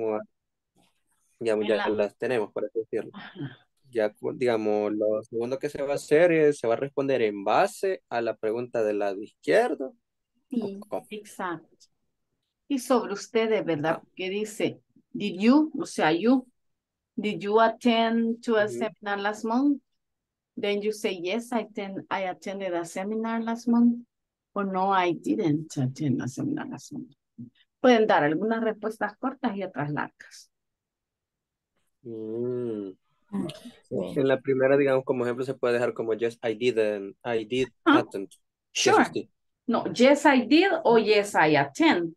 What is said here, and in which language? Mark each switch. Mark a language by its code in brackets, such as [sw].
[es] como, digamos, ya las tenemos, por así decirlo. Ajá. Ya, digamos, lo segundo que se va a hacer es, se va a responder en base a la pregunta del lado izquierdo. Sí, exacto. Y sobre ustedes, ¿verdad? ¿Qué dice? [en] Did you, [es] o sea, [en] you, did you attend to a seminar last month? Then you say, yes, I attended a seminar last month. Or no, I didn't attend a seminar last month. [es] Pueden dar algunas respuestas cortas y otras largas. Sí. En la primera, digamos, como ejemplo, se puede dejar como, [en] yes, I didn't, I did attend. Sure. Yes, no, yes, I did, o yes, I attend.